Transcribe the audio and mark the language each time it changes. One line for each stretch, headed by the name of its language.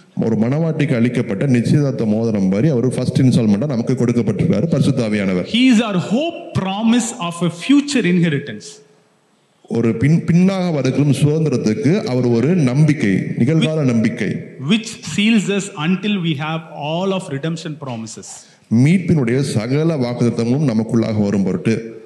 Tamil: ஒரு மனவாட்டிக்கு அளிக்கப்பட்ட நிச்சயதார்த்த மோதிரம் மாதிரி அவர் ஃபர்ஸ்ட் இன்ஸ்டால்மெண்டா நமக்கு கொடுக்கப்பட்டிருக்காரு பரிசுத்தாவியானவர்.
English: He is our hope, promise of a future inheritance.
Tamil: ஒரு பின்னாக வரக்கும் சுதந்திரத்துக்கு அவர் ஒரு நம்பிக்கை, நிகழ்கால நம்பிக்கை.
English: Which seals us until we have all of redemption promises.
Tamil: மீட்பினுடைய சகல வாக்குத்தத்தமும் நமக்குள்ளாக வரும் பொருட்டு.